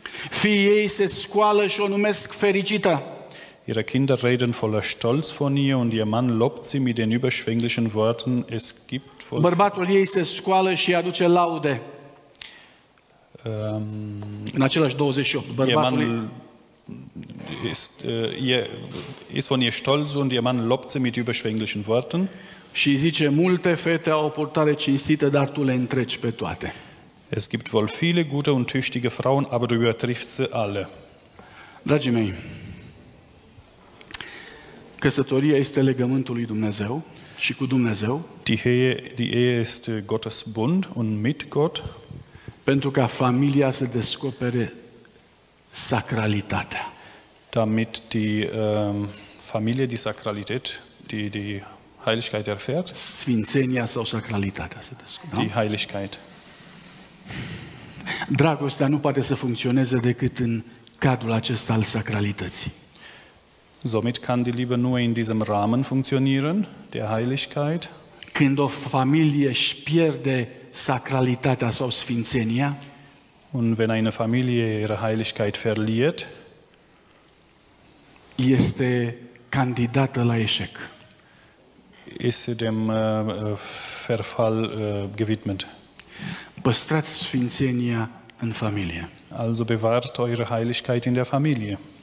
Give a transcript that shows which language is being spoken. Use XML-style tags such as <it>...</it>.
<ro>Fiii ei se scoală și o numesc fericită.</ro> <de>Ihre Kinder reden voller Stolz von ihr und ihr Mann lobt sie mit den überschwänglichen Worten. Es gibt voll.</de> <ro>Bărbatul ei se scoală și aduce laude. În același 28.</ro> <de>Bărbatul ist, ist von ihr stolz und ihr Mann lobt sie mit überschwänglichen Worten.</de> <ro>Și zice, multe fete au o purtare cinstită, dar tu le întreci pe toate.</ro> <de>Es gibt wohl viele gute und tüchtige Frauen, aber du übertriffst sie alle.</de> <ro>Dragii mei, căsătoria este legământul lui Dumnezeu și cu Dumnezeu.</ro> <de>Die Ehe ist Gottes Bund und mit Gott.</de> <ro>Pentru ca familia să descopere sacralitatea.</ro> <de>Damit die Familie die Sakralität, die Heiligkeit erfährt.</de> <ro>Sfințenia sau sacralitatea se descoperă.</ro> <de>Die Heiligkeit.</de> <ro>Dragostea nu poate să funcționeze decât în cadrul acesta al sacralității.</ro> <de>Somit kann die Liebe nur in diesem Rahmen funktionieren, der Heiligkeit.</de> <ro>Când o familie își pierde sacralitatea sau sfințenia,</ro> <de>und wenn eine Familie ihre Heiligkeit verliert,</de> <ro>este candidată la eșec.</ro> <de>Ist sie dem Verfall gewidmet.</de> <ro>Păstrați sfințenia în familie.</ro> <de>Also bewahrt eure Heiligkeit in der Familie.</de>